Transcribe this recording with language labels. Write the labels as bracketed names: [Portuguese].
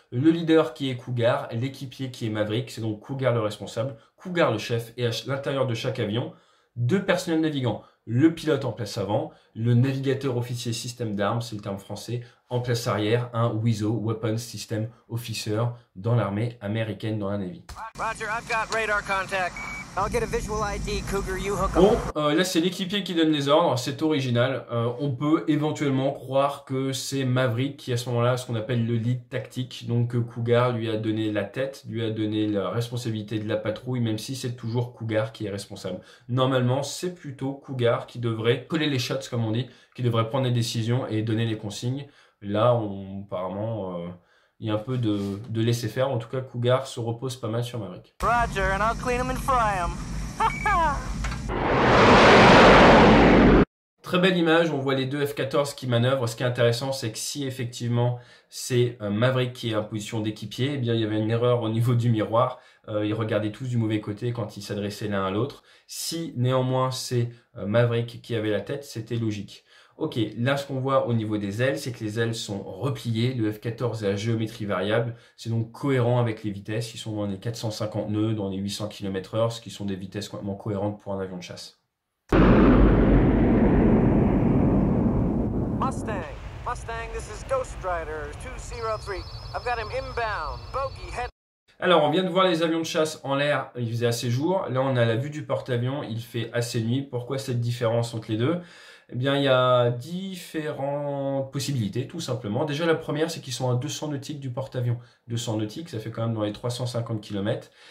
[French] Le leader qui est Cougar, l'équipier qui est Maverick. C'est donc Cougar le responsable, Cougar le chef. Et à l'intérieur de chaque avion, deux personnels navigants. Le pilote en place avant, le navigateur officier système d'armes, c'est le terme français, en place arrière, un WISO, Weapons System Officer, dans l'armée américaine, dans la Navy. [English] Roger, I've got radar contact. I'll get a visual ID, Cougar, you hook up. [French] Bon, là c'est l'équipier qui donne les ordres, c'est original. On peut éventuellement croire que c'est Maverick qui à ce moment-là a ce qu'on appelle le lead tactique, donc Cougar lui a donné la tête, lui a donné la responsabilité de la patrouille, même si c'est toujours Cougar qui est responsable. Normalement, c'est plutôt Cougar qui devrait coller les shots, comme on dit, qui devrait prendre les décisions et donner les consignes. Là, apparemment... Il y a un peu de laisser faire. En tout cas, Cougar se repose pas mal sur Maverick. [English] Roger, and I'll clean them and fry them. [French] Très belle image. On voit les deux F-14 qui manœuvrent. Ce qui est intéressant, c'est que si effectivement c'est Maverick qui est en position d'équipier, eh bien il y avait une erreur au niveau du miroir. Ils regardaient tous du mauvais côté quand ils s'adressaient l'un à l'autre. Si néanmoins c'est Maverick qui avait la tête, c'était logique. Ok, là ce qu'on voit au niveau des ailes, c'est que les ailes sont repliées, le F-14 est à géométrie variable, c'est donc cohérent avec les vitesses, ils sont dans les 450 nœuds, dans les 800 km/h, ce qui sont des vitesses complètement cohérentes pour un avion de chasse. [English] Mustang, this is Ghost Rider 203, I've got him inbound, bogey, head... [French] Alors, on vient de voir les avions de chasse en l'air, il faisait assez jour. Là, on a la vue du porte-avions, il fait assez nuit. Pourquoi cette différence entre les deux? Eh bien, il y a différentes possibilités, tout simplement. Déjà, la première, c'est qu'ils sont à 200 nautiques du porte-avions. 200 nautiques, ça fait quand même dans les 350 km.